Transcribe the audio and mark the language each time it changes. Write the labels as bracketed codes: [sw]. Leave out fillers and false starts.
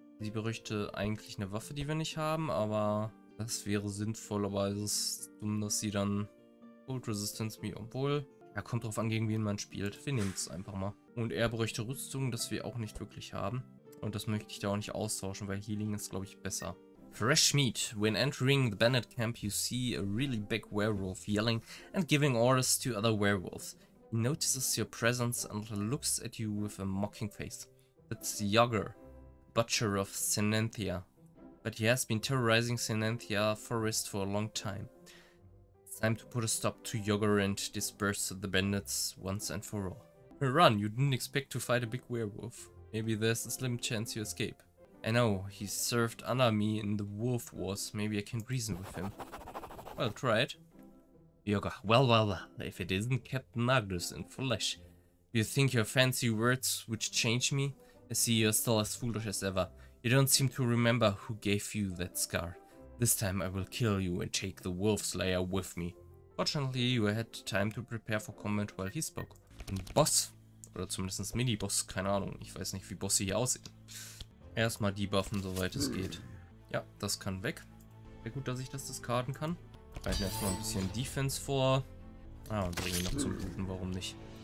[de] Sie berichte eigentlich eine Waffe, die wir nicht haben, aber das wäre sinnvollerweise dumm, dass sie dann Cold Resistance mir, obwohl. Ja, kommt drauf an, gegen wen man spielt. Wir nehmen es einfach mal. Und er berichte Rüstung, das wir auch nicht wirklich haben. Und das möchte ich da auch nicht austauschen, weil Healing ist, glaube ich, besser. [en] Fresh meat. When entering the Bandit camp, you see a really big werewolf yelling and giving orders to other werewolves. He notices your presence and looks at you with a mocking face. That's Yogur, butcher of Synanthia. But he has been terrorizing Synanthia forest for a long time. It's time to put a stop to Yogur and disperse the bandits once and for all. Run, you didn't expect to fight a big werewolf. Maybe there's a slim chance you escape. I know, he served under me in the wolf wars. Maybe I can reason with him. Well, try it. Yogur, well, well, well, if it isn't Captain Magnus in flesh. Do you think your fancy words would change me? I see you're still as foolish as ever. You don't seem to remember who gave you that scar. This time I will kill you and take the wolf's lair with me. Fortunately, you had time to prepare for combat while he spoke. [de] Und Boss, oder zumindest Mini-Boss, keine Ahnung, ich weiß nicht, wie Bosse hier aussehen. Erstmal debuffen, soweit es geht. Ja, das kann weg. Sehr gut, dass ich das discarden kann. Reiten erstmal ein bisschen Defense vor. Ah, und bringen ihn noch zum Looten, warum nicht?